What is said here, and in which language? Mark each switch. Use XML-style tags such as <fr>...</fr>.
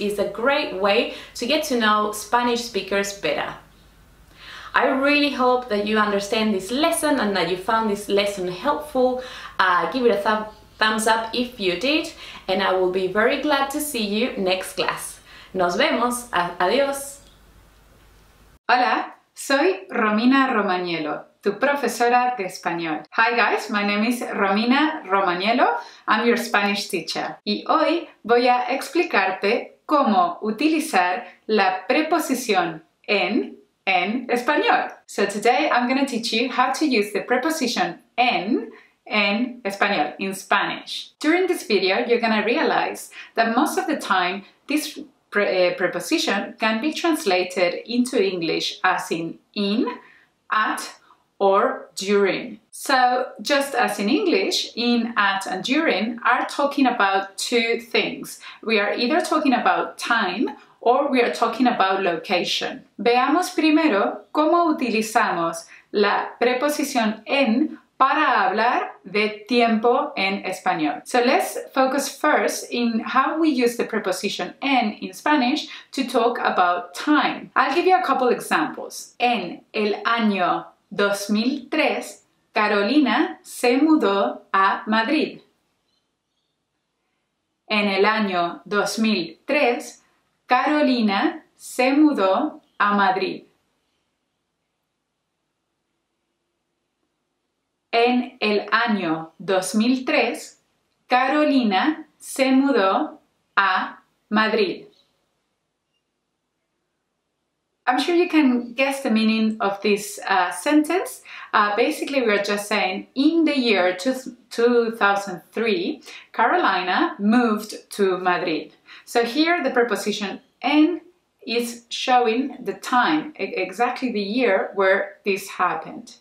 <en>It's a great way to get to know Spanish speakers better. I really hope that you understand this lesson and that you found this lesson helpful. Give it a thumbs up if you did, and I will be very glad to see you next class.</en> <es>Nos vemos. Adiós. Hola, soy Romina Romagnello, tu profesora de español.</es> <en>Hi guys, my name is Romina Romagnello, I'm your Spanish teacher.</en> <es>Y hoy voy a explicarte cómo utilizar la preposición en español.</es> <en>So today I'm going to teach you how to use the preposition en español, in Spanish. During this video, you're going to realize that most of the time this preposition can be translated into English as in, at, or during. So just as in English, in, at, and during are talking about two things. We are either talking about time or we are talking about location.</en> <es>Veamos primero cómo utilizamos la preposición en para hablar de tiempo en español.</es> <en>So let's focus first in how we use the preposition en in Spanish to talk about time. I'll give you a couple examples.</en> <es>En el año 2003, Carolina se mudó a Madrid. En el año 2003, Carolina se mudó a Madrid. En el año 2003, Carolina se mudó a Madrid.</es> <en>I'm sure you can guess the meaning of this sentence. Basically, we're just saying in the year 2003, Carolina moved to Madrid. So here the preposition en is showing the time, exactly the year where this happened.</en>